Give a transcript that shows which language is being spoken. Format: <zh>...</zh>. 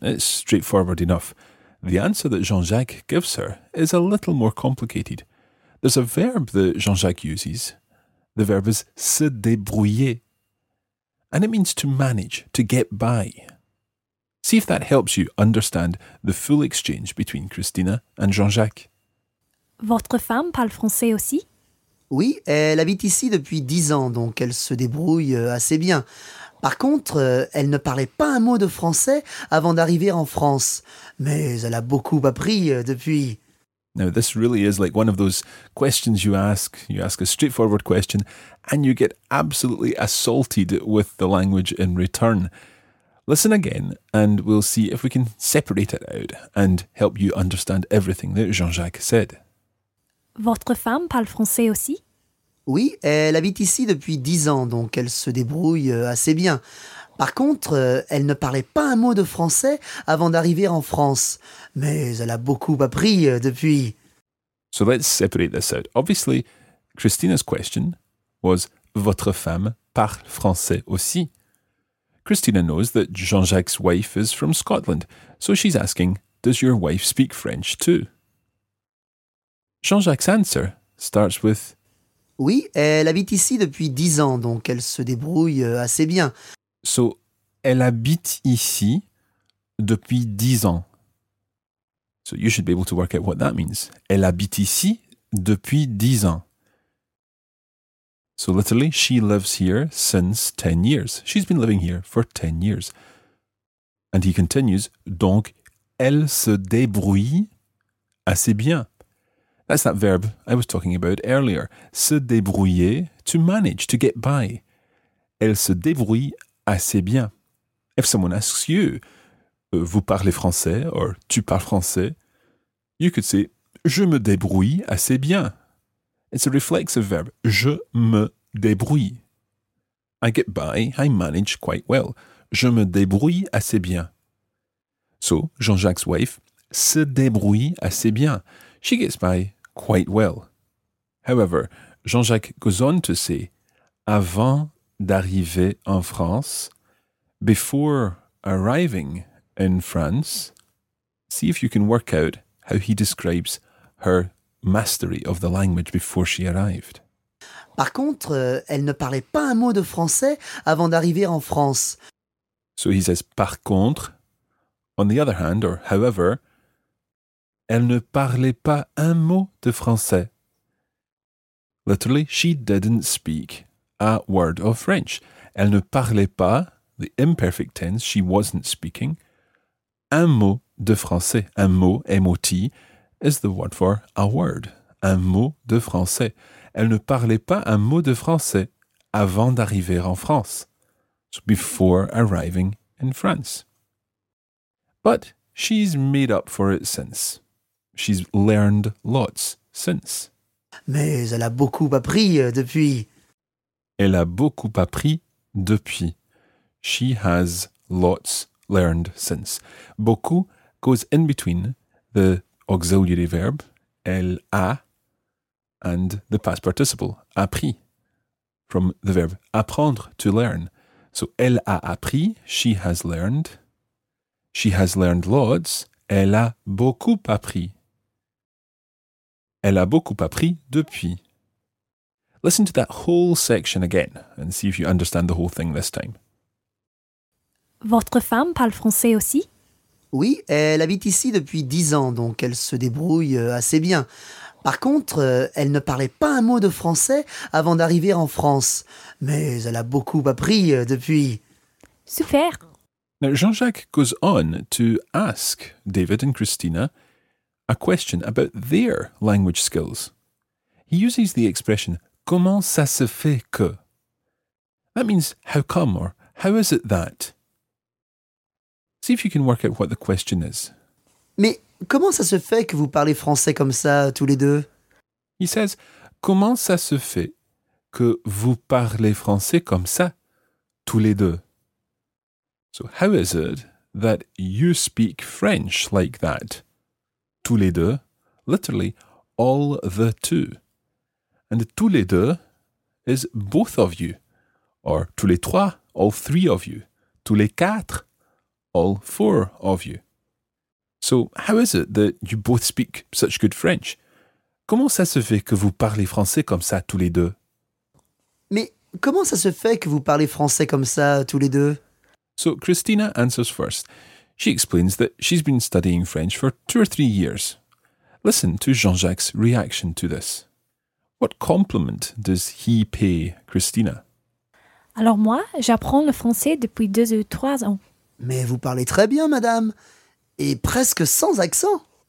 <en>It's straightforward enough. The answer that Jean-Jacques gives her is a little more complicated. There's a verb that Jean-Jacques uses. The verb is se débrouiller. And it means to manage, to get by. See if that helps you understand the full exchange between Christina and Jean-Jacques.</en> <fr>Votre femme parle français aussi? Oui, elle habite ici depuis 10 ans, donc elle se débrouille assez bien. Par contre, elle ne parlait pas un mot de français avant d'arriver en France. Mais elle a beaucoup appris depuis.</fr> <en>Now, this really is like one of those questions you ask. You ask a straightforward question and you get absolutely assaulted with the language in return. Listen again and we'll see if we can separate it out and help you understand everything that Jean-Jacques said.</en> <fr>Votre femme parle français aussi? Oui, elle habite ici depuis 10 ans, donc elle se débrouille assez bien. Par contre, elle ne parlait pas un mot de français avant d'arriver en France. Mais elle a beaucoup appris depuis.</fr> <en>So let's separate this out. Obviously, Christina's question was,</en> <fr>votre femme parle français aussi?</fr> <en>Christina knows that Jean-Jacques' wife is from Scotland, so she's asking, does your wife speak French too? Jean-Jacques' answer starts with,</en> <fr>oui, elle habite ici depuis 10 ans, donc elle se débrouille assez bien. So, elle habite ici depuis 10 ans.</fr> <en>So, you should be able to work out what that means.</en> <fr>Elle habite ici depuis 10 ans.</fr> <en>So, literally, she lives here since 10 years. She's been living here for 10 years. And he continues,</en> <fr>donc, elle se débrouille assez bien.</fr> <en>That's that verb I was talking about earlier. Se débrouiller, to manage, to get by.</en> <fr>Elle se débrouille assez bien.</fr> <en>If someone asks you,</en> <fr>vous parlez français</fr> <en>or</en> <fr>tu parles français,</fr> <en>you could say,</en> <fr>je me débrouille assez bien.</fr> <en>It's a reflexive verb.</en> <fr>Je me débrouille.</fr> <en>I get by, I manage quite well.</en> <fr>Je me débrouille assez bien.</fr> <en>So, Jean-Jacques' wife</en> <fr>se débrouille assez bien.</fr> <en>She gets by quite well. However, Jean-Jacques goes on to say,</en> <fr>avant d'arriver en France,</fr> <en>before arriving in France, see if you can work out how he describes her mastery of the language before she arrived.</en> <fr>Par contre, elle ne parlait pas un mot de français avant d'arriver en France.</fr> <en>So he says,</en> <fr>par contre,</fr> <en>on the other hand, or however,</en> <fr>elle ne parlait pas un mot de français.</fr> <en>Literally, she didn't speak a word of French.</en> <fr>Elle ne parlait pas,</fr> <en>the imperfect tense, she wasn't speaking,</en> <fr>un mot de français.</fr> <en>Un mot, M-O-T, is the word for a word.</en> <fr>Un mot de français. Elle ne parlait pas un mot de français avant d'arriver en France.</fr> <en>So before arriving in France. But she's made up for it since. She's learned lots since.</en> <fr>Mais elle a beaucoup appris depuis. Elle a beaucoup appris depuis.</fr> <en>She has lots learned since. Beaucoup goes in between the auxiliary verb, elle a, and the past participle, appris, from the verb apprendre, to learn. So,</en> <fr>elle a appris,</fr> <en>she has learned. She has learned lots,</en> <fr>elle a beaucoup appris. Elle a beaucoup appris depuis.</fr> <en>Listen to that whole section again and see if you understand the whole thing this time.</en> <fr>Votre femme parle français aussi? Oui, elle habite ici depuis 10 ans, donc elle se débrouille assez bien. Par contre, elle ne parlait pas un mot de français avant d'arriver en France. Mais elle a beaucoup appris depuis. Super!</fr> <en>Now, Jean-Jacques goes on to ask David and Christina a question about their language skills. He uses the expression,</en> <fr>comment ça se fait que?</fr> <en>That means, how come or how is it that? See if you can work out what the question is.</en> <fr>Mais comment ça se fait que vous parlez français comme ça, tous les deux?</fr> <en>He says,</en> <fr>comment ça se fait que vous parlez français comme ça, tous les deux?</fr> <en>So, how is it that you speak French like that? Tous les deux, literally, all the two. And tous les deux is both of you. Or tous les trois, all three of you. Tous les quatre, all four of you. So, how is it that you both speak such good French?</en> <fr>Comment ça se fait que vous parlez français comme ça tous les deux? Mais comment ça se fait que vous parlez français comme ça tous les deux?</fr> <en>So, Christina answers first. She explains that she's been studying French for 2 or 3 years. Listen to Jean-Jacques' reaction to this. What compliment does he pay Christina?</en> <fr>Alors moi, j'apprends le français depuis 2 ou 3 ans. Mais vous parlez très bien, madame, et presque sans accent.</fr>